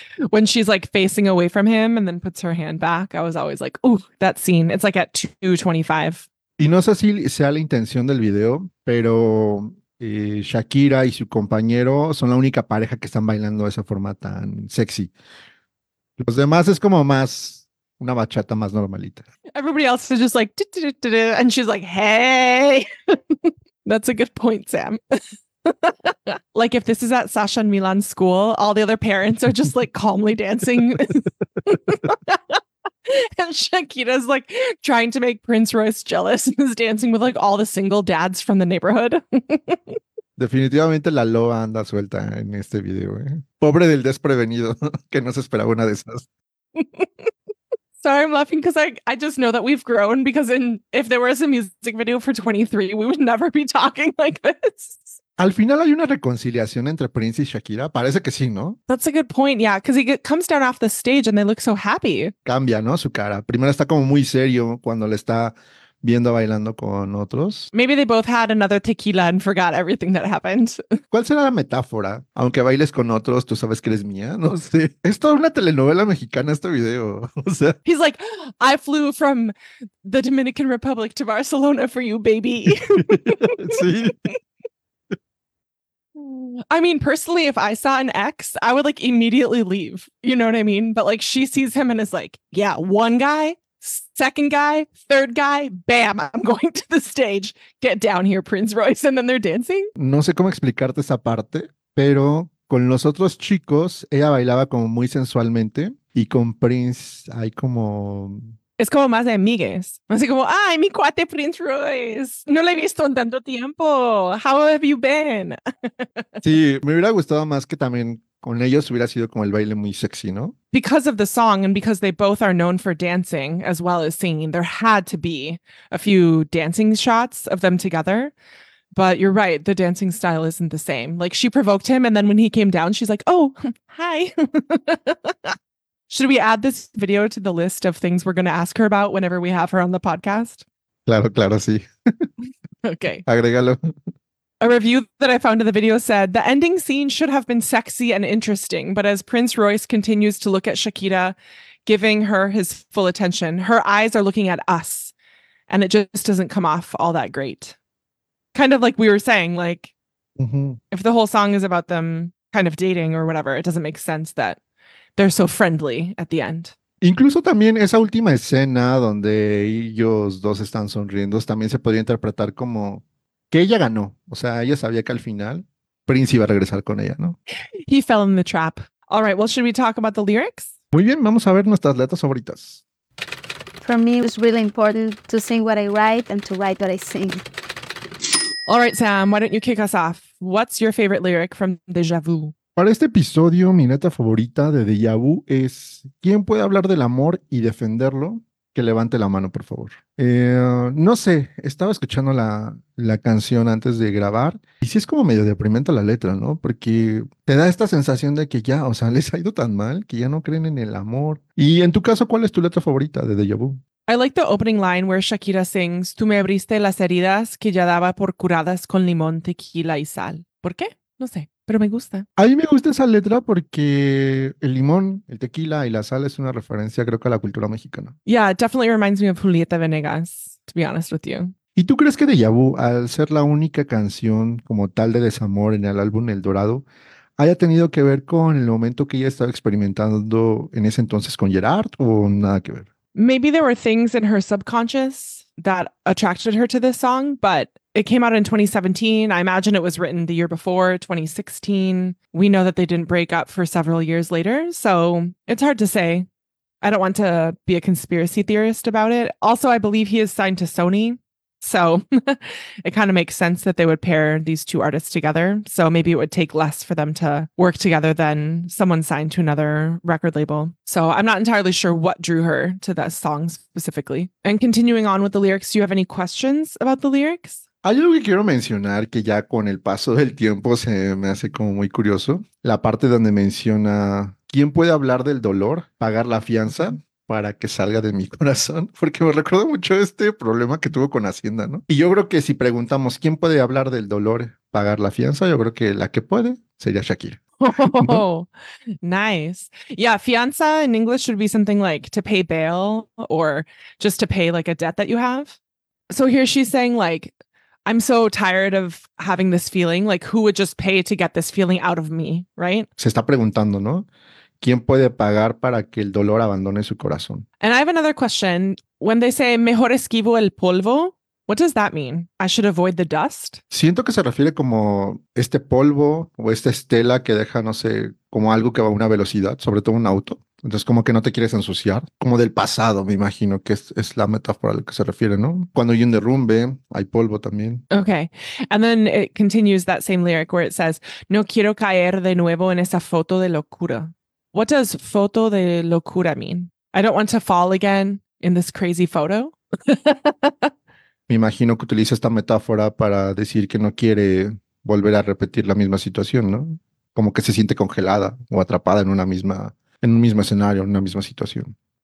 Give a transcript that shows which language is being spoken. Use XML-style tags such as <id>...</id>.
<en>When she's like facing away from him and then puts her hand back. I was always like, ooh, that scene. It's like at 2:25.</en> <es>Y no sé si sea la intención del video, pero Shakira y su compañero son la única pareja que están bailando de esa forma tan sexy. Los demás es como más una bachata más normalita.</es> <en>Everybody else is just like, and she's like, hey. That's a good point, Sam. Like, if this is at Sasha and Milan's school, all the other parents are just, like, calmly dancing. And Shakira's, like, trying to make Prince Royce jealous and is dancing with, like, all the single dads from the neighborhood.</en> <es>Definitivamente la loba anda suelta en este video, ¿eh? Pobre del desprevenido, que no se esperaba una de esas.</es> <en>Sorry, I'm laughing because I just know that we've grown because if there was a music video for 23, we would never be talking like this.</en> <es>Al final hay una reconciliación entre Prince y Shakira. Parece que sí, ¿no?</es> <en>That's a good point, yeah, because he comes down off the stage and they look so happy.</en> <es>Cambia, ¿no? Su cara. Primero está como muy serio cuando le está viendo bailando con otros.</es> <en>Maybe they both had another tequila and forgot everything that happened.</en> <es>¿Cuál será la metáfora? Aunque bailes con otros, tú sabes que eres mía. No sé. Es toda una telenovela mexicana este video. O sea,</es> <en>he's like, I flew from the Dominican Republic to Barcelona for you, baby.</en> <es>Sí.</es> <en>I mean, personally, if I saw an ex, I would like immediately leave. You know what I mean? But like, she sees him and is like, yeah, one guy. Second guy, third guy, bam, I'm going to the stage. Get down here, Prince Royce. And then they're dancing.</en> <es>No sé cómo explicarte esa parte, pero con los otros chicos, ella bailaba como muy sensualmente. Y con Prince hay como... Es como más de amigues. Así como, ay, mi cuate Prince Royce. No le he visto en tanto tiempo.</es> <en>How have you been?</en> <es>Sí, me hubiera gustado más que también... Con ellos hubiera sido como el baile muy sexy, ¿no?</es> <en>Because of the song and because they both are known for dancing as well as singing, there had to be a few dancing shots of them together. But you're right, the dancing style isn't the same. Like, she provoked him and then when he came down, she's like, oh, hi. Should we add this video to the list of things we're going to ask her about whenever we have her on the podcast?</en> <es>Claro, claro, sí.</es> <en>Okay.</en> <es>Agrégalo.</es> <en>A review that I found in the video said, the ending scene should have been sexy and interesting, but as Prince Royce continues to look at Shakira, giving her his full attention, her eyes are looking at us, and it just doesn't come off all that great. Kind of like we were saying, like, mm-hmm. If the whole song is about them kind of dating or whatever. It doesn't make sense that they're so friendly at the end.</en> <es>Incluso también esa última escena donde ellos dos están sonriendo también se podría interpretar como que ella ganó. O sea, ella sabía que al final Prince iba a regresar con ella, ¿no?</es> <en>He fell in the trap. All right, well, should we talk about the lyrics?</en> <es>Muy bien, vamos a ver nuestras letras favoritas.</es> <en>For me, it's really important to sing what I write and to write what I sing. All right, Sam, why don't you kick us off? What's your favorite lyric from Deja Vu?</en> <es>Para este episodio, mi letra favorita de Deja Vu es ¿quién puede hablar del amor y defenderlo? Que levante la mano, por favor. No sé, estaba escuchando la canción antes de grabar y sí es como medio deprimente la letra, ¿no? Porque te da esta sensación de que ya, o sea, les ha ido tan mal que ya no creen en el amor. Y en tu caso, ¿cuál es tu letra favorita de Deja Vu?</es> <en>I like the opening line where Shakira sings,</en> <es>tú me abriste las heridas que ya daba por curadas con limón, tequila y sal. ¿Por qué? No sé, pero me gusta. A mí me gusta esa letra porque el limón, el tequila y la sal es una referencia, creo que a la cultura mexicana.</es> <en>Yeah, it definitely reminds me of Julieta Venegas, to be honest with you.</en> <es>¿Y tú crees que Deja Vu, al ser la única canción como tal de desamor en el álbum El Dorado, haya tenido que ver con el momento que ella estaba experimentando en ese entonces con Gerard o nada que ver?</es> <en>Maybe there were things in her subconscious that attracted her to this song, but it came out in 2017. I imagine it was written the year before, 2016. We know that they didn't break up for several years later, so it's hard to say. I don't want to be a conspiracy theorist about it. Also, I believe he is signed to Sony, so it kind of makes sense that they would pair these two artists together. So maybe it would take less for them to work together than someone signed to another record label. So I'm not entirely sure what drew her to that song specifically. And continuing on with the lyrics, do you have any questions about the lyrics?</en> <es>Hay algo que quiero mencionar que ya con el paso del tiempo se me hace como muy curioso. La parte donde menciona, ¿quién puede hablar del dolor? Pagar la fianza para que salga de mi corazón, porque me recuerda mucho este problema que tuvo con Hacienda, ¿no? Y yo creo que si preguntamos quién puede hablar del dolor, pagar la fianza, yo creo que la que puede sería Shakira.</es> <en>Oh, ¿no? Nice. Yeah, fianza in English should be something like to pay bail or just to pay like a debt that you have. So here she's saying like, I'm so tired of having this feeling, like who would just pay to get this feeling out of me, right?</en> <es>Se está preguntando, ¿no? ¿Quién puede pagar para que el dolor abandone su corazón?</es> <en>And I have another question. When they say,</en> <es>mejor esquivo el polvo,</es> <en>what does that mean? I should avoid the dust?</en> <es>Siento que se refiere como este polvo o esta estela que deja, no sé, como algo que va a una velocidad, sobre todo un auto. Entonces, como que no te quieres ensuciar. Como del pasado, me imagino que es la metáfora a la que se refiere, ¿no? Cuando hay un derrumbe, hay polvo también.</es> <en>Okay. And then it continues that same lyric where it says,</en> <es>no quiero caer de nuevo en esa foto de locura.</es> <en>What does</en> <es>foto de locura</es> <en>mean? I don't want to fall again in this crazy photo.</en> <es>Me imagino que utiliza esta metáfora para decir que no quiere volver a repetir la misma situación, ¿no? Como que se siente congelada o atrapada en una misma, en un mismo escenario, en una misma situación.</es>